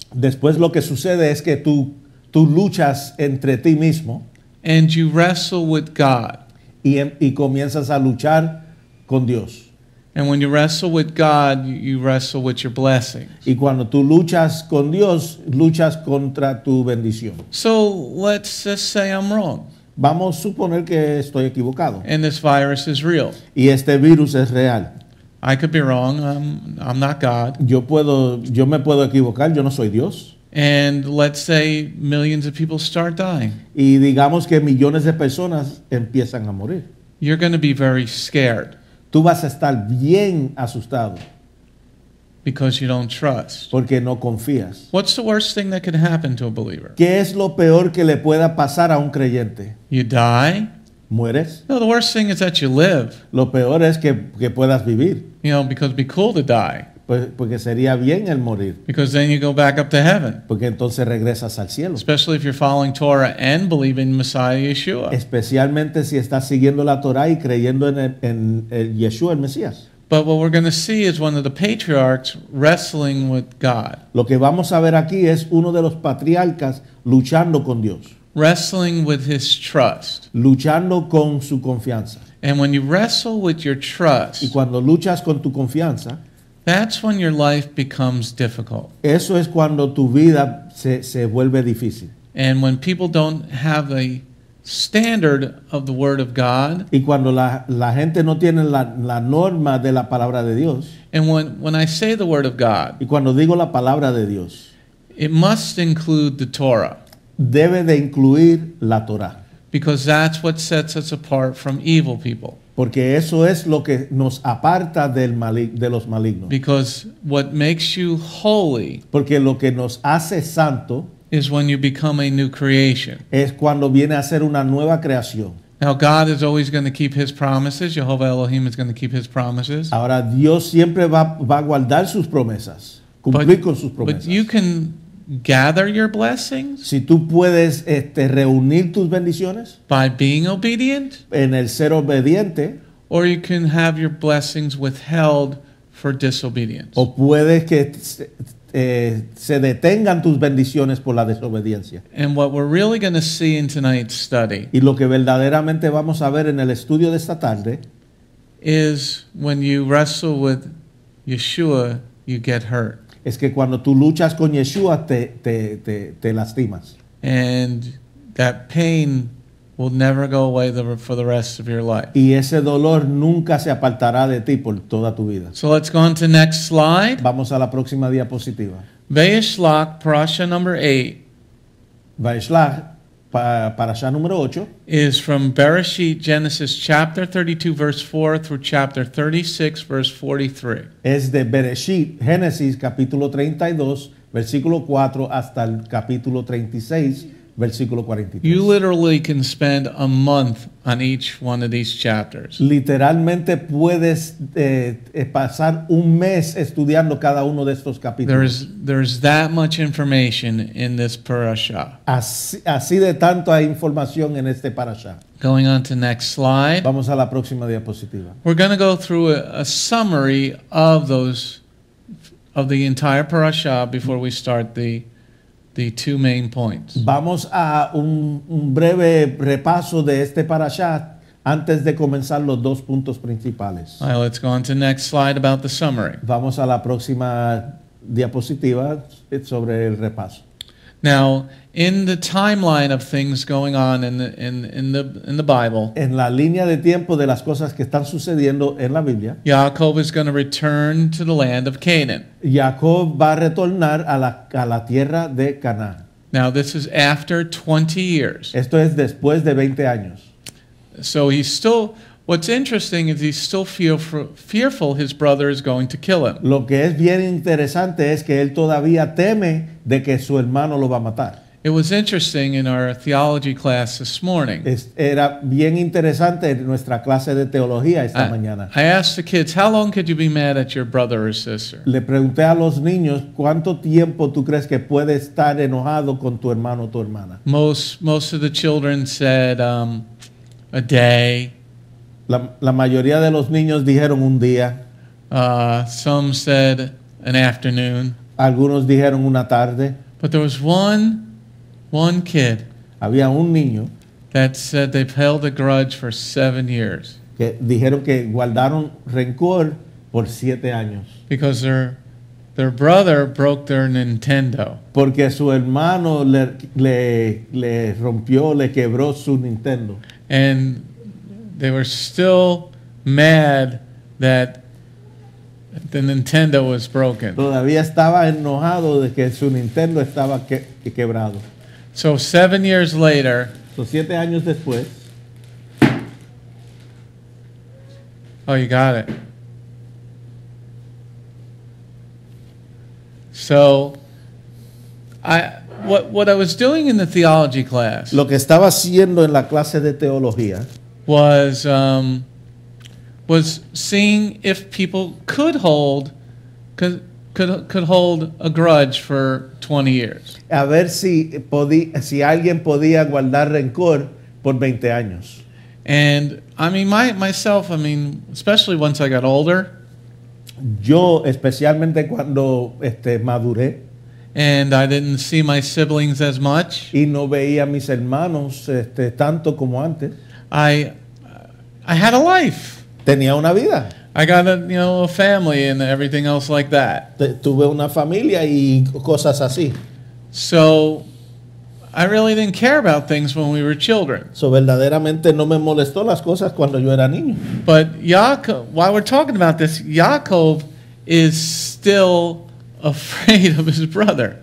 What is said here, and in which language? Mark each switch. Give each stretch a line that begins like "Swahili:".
Spanish: Después lo que sucede es que tú luchas entre ti mismo.
English: And you wrestle with God.
Spanish: Y comienzas a luchar con Dios.
English: And when you wrestle with God, you wrestle with your blessings.
Spanish: Y cuando tú luchas con Dios, luchas contra tu bendición.
English: So let's just say I'm wrong.
Spanish: Vamos a suponer que estoy equivocado.
English: And this virus is real.
Spanish: Y este virus es real.
English: I could be wrong. I'm not God.
Spanish: Yo me puedo equivocar. Yo no soy Dios.
English: And let's say millions of people start dying.
Spanish: Y digamos que millones de personas empiezan a morir.
English: You're going to be very scared.
Spanish: Tú vas a estar bien asustado.
English: Because you don't trust.
Spanish: Porque no confías.
English: What's the worst thing that can happen to a believer?
Spanish: ¿Qué es lo peor que le pueda pasar a un creyente?
English: You die.
Spanish: ¿Mueres?
English: No, the worst thing is that you live.
Spanish: Lo peor es que puedas vivir.
English: You know, because it'd be cool to die.
Spanish: Porque sería bien el morir.
English: Because then you go back up to heaven.
Spanish: Porque entonces regresas al cielo.
English: Especially if you're following Torah and believing Messiah Yeshua.
Spanish: Especialmente si estás siguiendo la Torah y creyendo en Yeshua, el Mesías.
English: But what we're going to see is one of the patriarchs wrestling with God.
Spanish: Lo que vamos a ver aquí es uno de los patriarcas luchando con Dios.
English: Wrestling with his trust.
Spanish: Luchando con su confianza.
English: And when you wrestle with your trust.
Spanish: Y cuando luchas con tu confianza.
English: That's when your life becomes difficult.
Spanish: Eso es cuando tu vida se vuelve difícil.
English: And when people don't have a standard of the word of God.
Spanish: Y cuando la gente no tiene la norma de la palabra de Dios.
English: And when I say the word of God.
Spanish: Y cuando digo la palabra de Dios.
English: It must include the Torah.
Spanish: Debe de incluir la Torah.
English: Because that's what sets us apart from evil people.
Spanish: Porque eso es lo que nos aparta de los malignos.
English: Because what makes you holy.
Spanish: Porque lo que nos hace santo.
English: Is when you become a new creation.
Spanish: Es cuando viene a ser una nueva creación.
English: Now God is always going to keep his promises. Jehovah Elohim is going to keep his promises.
Spanish: Ahora Dios siempre va a guardar sus promesas. Cumplir con sus promesas.
English: But you can gather your blessings.
Spanish: Si tú puedes reunir tus bendiciones.
English: By being obedient.
Spanish: En el ser obediente.
English: Or you can have your blessings withheld for disobedience.
Spanish: O puedes que se detengan tus bendiciones por la desobediencia.
English: And what we're really going to see in tonight's study.
Spanish: Y lo que verdaderamente vamos a ver en el estudio de esta tarde.
English: Is when you wrestle with Yeshua, you get hurt.
Spanish: Es que cuando tú luchas con Yeshua, te lastimas.
English: And that pain will never go away for the rest of your life.
Spanish: Y ese dolor nunca se apartará de ti por toda tu vida.
English: So let's go on to next slide.
Spanish: Vamos a la próxima diapositiva.
English: Vayishlach, parasha number 8.
Spanish: Vayishlach, parasha número 8.
English: Is from Bereshit, Genesis chapter 32, verse 4, through chapter 36, verse 43.
Spanish: Es de Bereshit, Génesis capítulo 32, versículo 4, hasta el capítulo 36, versículo 43.
English: You literally can spend a month on each one of these chapters.
Spanish: Literalmente puedes pasar un mes estudiando cada uno de estos capítulos.
English: There's that much information in this parasha.
Spanish: Así de tanto hay información en este parasha.
English: Going on to next slide.
Spanish: Vamos a la próxima diapositiva.
English: We're going to go through a summary of those of the entire parasha before we start the two main points.
Spanish: Vamos a un breve repaso de este parasha antes de comenzar los dos puntos principales.
English: All right, let's go on to next slide about the summary.
Spanish: Vamos a la próxima diapositiva sobre el repaso.
English: Now, in the timeline of things going on in the Bible.
Spanish: En la línea de tiempo de las cosas que están sucediendo en la Biblia.
English: Jacob is going to return to the land of Canaan.
Spanish: Jacob va a retornar a la tierra de Canaán.
English: Now, this is after 20 years.
Spanish: Esto es después de 20 años.
English: So he's still. What's interesting is he's still fearful his brother is going to kill him.
Spanish: Lo que es bien interesante es que él todavía teme de que su hermano lo va a matar.
English: It was interesting in our theology class this morning.
Spanish: Era bien interesante en nuestra clase de teología esta mañana.
English: I asked the kids, how long could you be mad at your brother or sister?
Spanish: Le pregunté a los niños, ¿cuánto tiempo tú crees que puedes estar enojado con tu hermano o tu hermana?
English: Most of the children said a day.
Spanish: La mayoría de los niños dijeron un día.
English: Some said an afternoon.
Spanish: Algunos dijeron una tarde.
English: But there was one kid.
Spanish: Había un niño
English: that said they've held a grudge for 7 years.
Spanish: Que dijeron que guardaron rencor por 7 años.
English: Because their brother broke their Nintendo.
Spanish: Porque su hermano le rompió, le quebró su Nintendo.
English: And they were still mad that the Nintendo was broken.
Spanish: Todavía estaba enojado de que su Nintendo estaba quebrado.
English: So 7 years later,
Spanish: so 7 años después.
English: Oh, you got it. So what I was doing in the theology class,
Spanish: lo que estaba haciendo en la clase de teología,
English: was seeing if people could hold a grudge for 20 years.
Spanish: A ver si alguien podía guardar rencor por 20 años.
English: And I mean myself, especially once I got older.
Spanish: Yo especialmente cuando maduré.
English: And I didn't see my siblings as much.
Spanish: Y no veía mis hermanos tanto como antes.
English: I had a life.
Spanish: Tenía una vida.
English: I got a family and everything else like that.
Spanish: Tuve una familia y cosas así.
English: So I really didn't care about things when we were children.
Spanish: So verdaderamente no me molestó las cosas cuando yo era niño.
English: But Yaakov, while we're talking about this, Yaakov is still afraid of his brother.